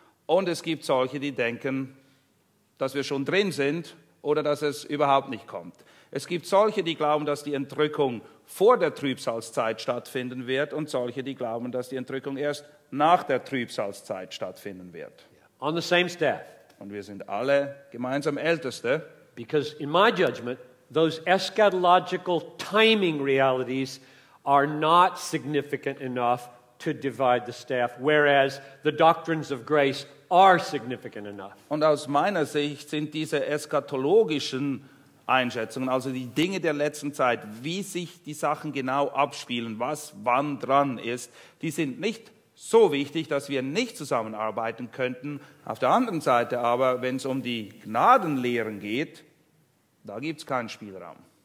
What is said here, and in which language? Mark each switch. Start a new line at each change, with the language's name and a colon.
German: Und es gibt solche, die denken, dass wir schon drin sind oder dass es überhaupt nicht kommt. Es gibt solche, die glauben, dass die Entrückung vor der Trübsalzeit stattfinden wird und solche, die glauben, dass die Entrückung erst nach der Trübsalzeit stattfinden wird.
English: Yeah. On the same staff.
German: Und wir sind alle gemeinsam Älteste.
English: Because in my judgment, those eschatological timing realities are not significant enough to divide the staff, whereas the doctrines of grace are significant enough.
German: Und aus meiner Sicht sind diese eschatologischen Einschätzungen, also die Dinge der letzten Zeit, wie sich die Sachen genau abspielen, was wann dran ist, die sind nicht so wichtig, dass wir nicht zusammenarbeiten könnten. Auf der anderen Seite aber, wenn es um die Gnadenlehren geht, da gibt es keinen Spielraum.